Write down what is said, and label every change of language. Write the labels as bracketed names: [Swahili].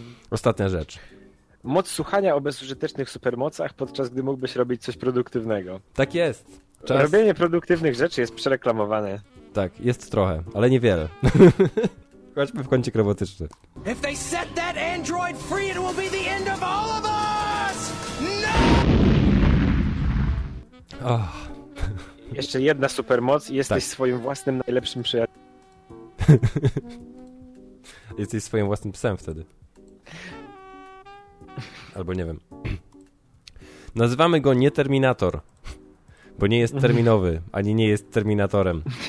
[Polish] Ostatnia rzecz. Moc słuchania o bezużytecznych supermocach, podczas gdy mógłbyś robić coś produktywnego. Tak jest. Czas. Robienie produktywnych rzeczy jest przereklamowane. Tak, jest trochę, ale niewiele. Chodźmy w kącie krowotyczny. [English] If they set that android free, it will be the end of all of us! No! Oh. [Polish] Jeszcze jedna supermoc i jesteś tak. Swoim własnym najlepszym przyjacielem. Jesteś swoim własnym psem wtedy. Albo nie wiem. Nazywamy go nie Terminator, bo nie jest terminowy, ani nie jest Terminatorem.